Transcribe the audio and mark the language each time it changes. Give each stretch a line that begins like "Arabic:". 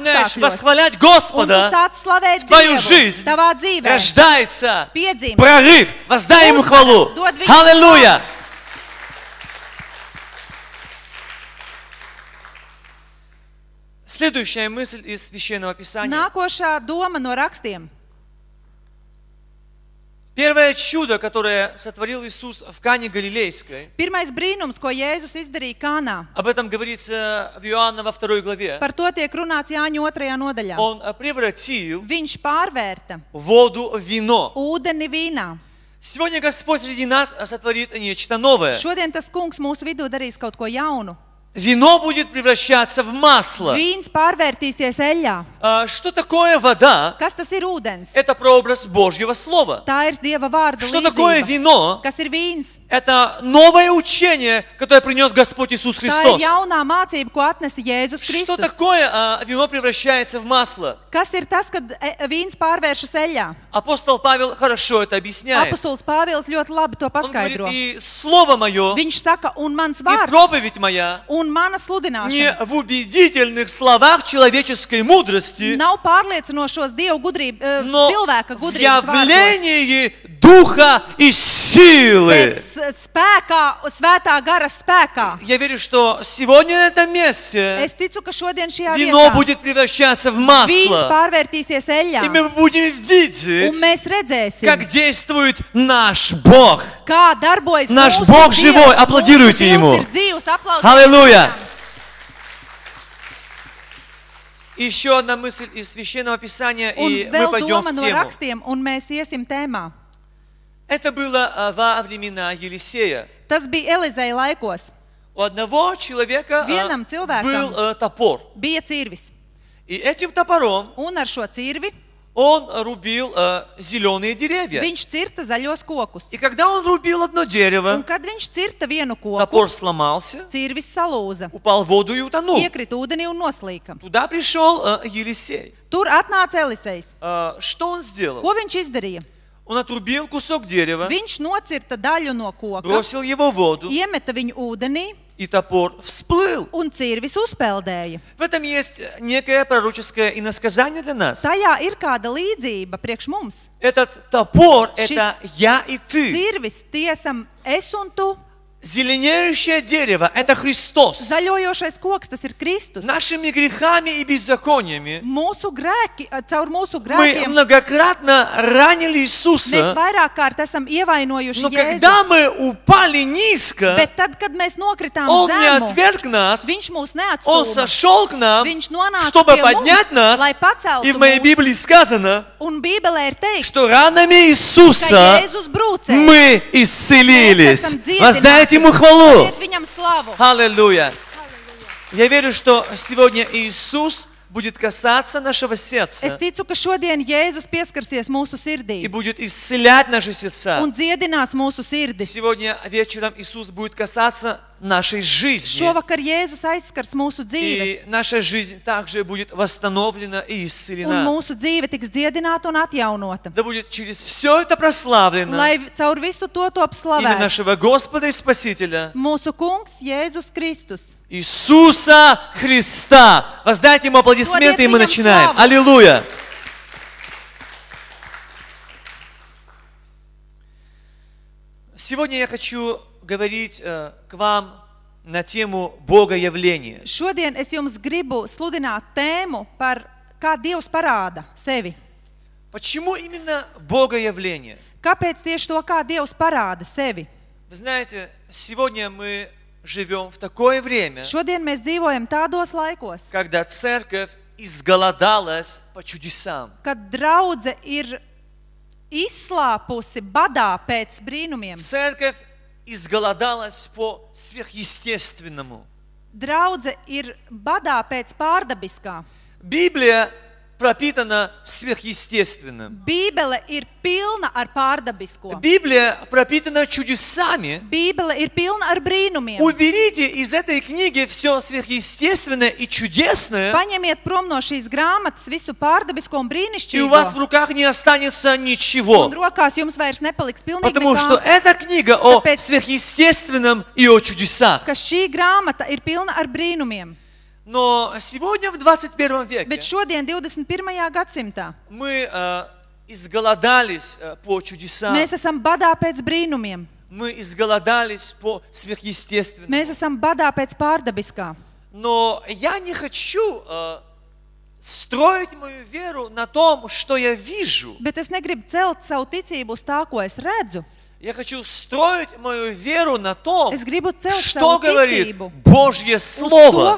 Russian: Начинаешь восхвалять Господа.
Latvian: Un sāc slavēt Dievu.
Russian: Твою жизнь.
Latvian: Tavā dzīvē.
Russian: Рождается.
Latvian: Piedzīme.
Russian: Прорыв. Воздай ему хвалу.
Latvian: Dod viņu slavu.
Russian: Аллилуйя. Аллилуйя. Следующая мысль из священного писания.
Latvian: Nākošā doma no rakstiem.
Russian: Первое чудо, которое сотворил Иисус в Кане Галилейской.
Latvian: Pirmais brīnums, ko Jēzus izdarīja Kānā.
Russian: Об этом говорится в Иоанна во второй главе.
Latvian: Par to tiek runāts Jāņa otrajā nodaļā.
Russian: Он превратил.
Latvian: Viņš pārvērta.
Russian: Воду в вино.
Latvian: Ūdeni vīnā.
Russian: Сегодня Господь среди нас сотворит нечто новое.
Latvian: Šodien tas Kungs mūsu vidū darīs kaut ko jaunu.
Russian: Вино будет превращаться в масло.
Latvian: Vīns pārvērtīsies eļā.
Russian: Что такое вода?
Latvian: Kas tas ir ūdens?
Russian: Это прообраз Божьего слова.
Latvian: Tā ir Dieva vārda līdzība.
Russian: Что такое вино?
Latvian: Kas ir vīns?
Russian: Это новое учение, которое принёс Господь Иисус Христос.
Latvian: Tā ir jaunā mācība, ko atnesa Jēzus Kristus.
Russian: Что такое вино превращается в масло?
Latvian: Kas ir tas, kad vīns pārvēršas eļā?
Russian: Apostol Pāvils хорошо это объясняет.
Latvian: Apostols Pāvils ļoti labi to paskaidro.
Russian: Он говорит, и слово моё.
Latvian: Viņš saka, un mans vārds.
Russian: И проповедь моя.
Latvian: Un mana sludināšana.
Russian: Не в убедительных словах человеческой мудрости.
Latvian: Nav pārliecinošos Dieva gudrība, cilvēka gudrības vārdos.
Russian: Но в явлении духа и силы.
Latvian: Bet spēkā, svētā gara spēkā. Я верю, что сегодня на этом месте. Es ticu, ka šodien šajā vietā.
Russian: Вино будет превращаться в масло.
Latvian: Vīns pārvērtīsies eļā.
Russian: И мы будем видеть.
Latvian: Un mēs redzēsim.
Russian: Как действует наш Бог.
Latvian: Kā darbojas mūsu
Russian: Наш Бог живой. Аплодируйте ему.
Latvian: Ir dzīvs, aplaudējiet.
Russian: Аллилуйя. Ещё одна мысль из священного писания, и мы пойдём в тему.
Latvian: No rakstiem, un mēs iesim tēmā.
Russian: Это было во времена Елисея.
Latvian: Tas bija Elizeja laikos.
Russian: У одного человека
Latvian: Vienam cilvēkam
Russian: был топор.
Latvian: Bija cirvis.
Russian: И этим топором
Latvian: Un ar šo cirvi
Russian: Он рубил зелёные деревья.
Latvian: Viņš cirta zaļos kokus.
Russian: И когда он рубил одно дерево,
Latvian: Un kad viņš cirta vienu koku,
Russian: топор сломался,
Latvian: cirvis salūza,
Russian: упал в воду и утонул.
Latvian: Iekrit ūdenī un noslīka.
Russian: Туда пришёл Елисей.
Latvian: Tur atnāca Elisejs.
Russian: Что он сделал?
Latvian: Ko viņš izdarīja?
Russian: Он отрубил кусок дерева.
Latvian: Viņš nocirta daļu no koka.
Russian: Бросил его в воду.
Latvian: Iemeta viņu ūdenī.
Russian: И топор всплыл.
Latvian: Un cirvis uzpeldēja.
Russian: В этом есть некое пророческое иносказание для нас.
Latvian: Tajā ir kāda līdzība priekš mums.
Russian: Этот топор – это я и ты.
Latvian: Cirvis tiesam es un tu.
Russian: Зеленеющее дерево – это Христос.
Latvian: Zaļojošais koks – tas ir Kristus.
Russian: Нашими грехами и беззакониями
Latvian: mūsu grēki, caur mūsu grēkiem
Russian: мы многократно ранили Иисуса.
Latvian: Mēs vairāk kārt esam ievainojuši
Russian: но
Latvian: Jēzu.
Russian: Но когда мы упали низко,
Latvian: bet tad, kad mēs nokritām
Russian: он
Latvian: zemu,
Russian: не отверг нас,
Latvian: viņš mūs neatstūma,
Russian: он сошел к нам,
Latvian: viņš nonāca
Russian: чтобы
Latvian: pie
Russian: поднять
Latvian: mums,
Russian: нас,
Latvian: lai paceltu
Russian: и в моей Библии сказано,
Latvian: un Bībelē ir teikts,
Russian: что ранами Иисуса
Latvian: Jēzus brūcē,
Russian: мы исцелились.
Latvian: Mēs esam dziedināti.
Russian: Ему хвалу. Аллилуйя. Я верю, что сегодня Иисус будет касаться нашего сердца.
Latvian: Es ticu, ka šodien Jēzus pieskarsies mūsu sirdī.
Russian: И будет исцелять наши сердца.
Latvian: Un dziedinās mūsu sirdis.
Russian: Сегодня вечером Иисус будет касаться нашей жизни.
Latvian: Šovakar Jēzus aizskars mūsu dzīves.
Russian: И наша жизнь также будет восстановлена и исцелена.
Latvian: Un mūsu dzīve tiks dziedināta un atjaunota.
Russian: Да будет через все это прославлено.
Latvian: Lai caur visu to top slavēts.
Russian: Имя нашего Господа и Спасителя.
Latvian: Mūsu Kungs Jēzus Kristus.
Russian: Иисуса Христа. Воздайте ему аплодисменты, и мы начинаем. Аллилуйя. Сегодня я хочу говорить к вам на тему Бога явления.
Latvian: Šodien es jums gribu sludināt tēmu par kā Dievs parāda sevi.
Russian: Почему именно Бога явления?
Latvian: Kāpēc tieši to, kā Dievs parāda sevi?
Russian: Вы знаете, сегодня мы живём в такое время.
Latvian: Šodien mēs dzīvojam tādos laikos.
Russian: Когда церковь изголодалась по чудесам.
Latvian: Kad draudze ir izslāpusi badā pēc brīnumiem.
Russian: Церковь изголодалась по сверхъестественному.
Latvian: Draudze ir badā pēc pārdabiskā.
Russian: Библия пропитана сверхъестественным.
Latvian: Bībele ir pilna ar pārdabisko.
Russian: Библия пропитана чудесами.
Latvian: Bībele ir pilna ar brīnumiem.
Russian: Уберите из этой книги все сверхъестественное и чудесное.
Latvian: Paņemiet prom no šīs grāmatas visu pārdabisko un brīnišķīgo.
Russian: И у вас в руках не останется ничего.
Latvian: Un rokās jums vairs nepaliks pilnīgi nekā.
Russian: Потому что эта книга о сверхъестественном и о чудесах.
Latvian: Ka šī grāmata ir pilna ar brīnumiem.
Russian: Но сегодня в 21 веке.
Latvian: Bet šodien 21. Gadsimtā.
Russian: Мы изголодались по чудесам.
Latvian: Mēs esam badā pēc brīnumiem.
Russian: Мы изголодались по сверхъестественному.
Latvian: Mēs esam badā pēc pārdabiskā.
Russian: Но я не хочу строить мою веру на том, что я вижу.
Latvian: Bet es negribu celt savu ticību uz tā, ko es redzu.
Russian: Я хочу строить мою веру на том,
Latvian: es gribu celt
Russian: что
Latvian: savu ticību
Russian: говорит Божье слово.